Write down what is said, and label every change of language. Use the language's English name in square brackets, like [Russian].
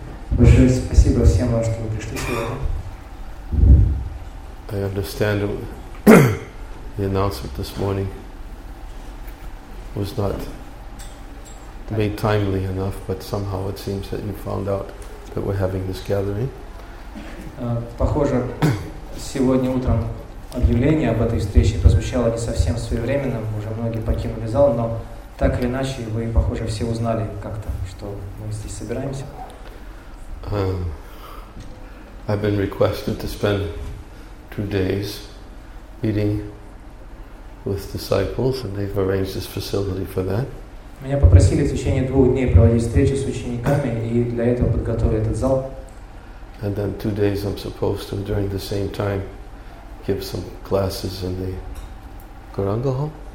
[Russian] Большое спасибо всем вам, что вы пришли сегодня. [English] I understand the announcement this morning was not made timely enough, but somehow it seems that you found out that we're having this gathering. [Russian] Похоже, сегодня утром объявление об этой встрече прозвучало не совсем своевременно. Уже многие покинули зал, но так или иначе, вы, похоже, все узнали как-то, что мы здесь собираемся. [English] I've been requested to spend 2 days meeting with disciples, and they've arranged this facility for that. [Russian] Меня попросили в течение 2 дней проводить встречи с учениками, и для этого подготовили этот зал. [English] And then 2 days I'm supposed to, during the same time, give some classes in the Gurangaho.